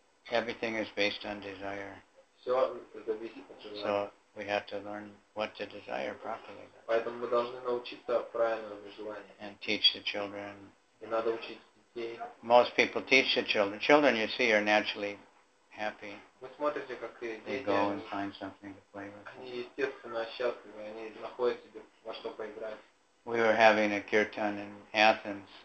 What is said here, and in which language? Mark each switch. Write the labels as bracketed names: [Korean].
[English] Everything is based on desire. So we have to learn what to desire properly. [Russian] Поэтому мы должны научиться правильному желанию. [English] And teach the children. [Russian] И надо учить детей. [English] Most people teach the children. Children, you see, are naturally happy. [Russian] Вы смотрите, как и дети. [English] They go and find something to play with. [Russian] Они естественно счастливы. Они находят себе во что поиграть. [English] We were having a kirtan in Athens.